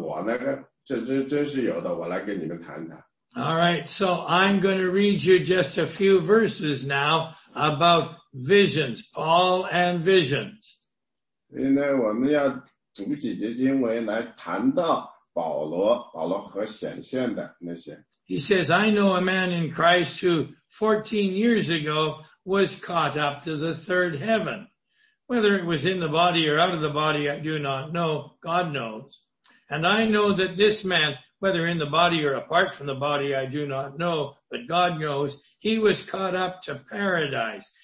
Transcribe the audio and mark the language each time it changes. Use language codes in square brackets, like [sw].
[zh] 所以呢,他说呢,我现在来呢,我们呢,谈谈这个显现的事。有很多人,他们从神那里有特别的显现,那我呢,这真是有的,我来跟你们谈谈。 [en] Alright, so I'm going to read you just a few verses now about visions, Paul and visions. [zh] 所以呢,我们要读几节经文来谈到保罗和显现的那些。 [en] He says, I know a man in Christ who 14 years ago was caught up to the third heaven. Whether it was in the body or out of the body, I do not know. God knows. And I know that this man, whether in the body or apart from the body, I do not know, but God knows, he was caught up to paradise.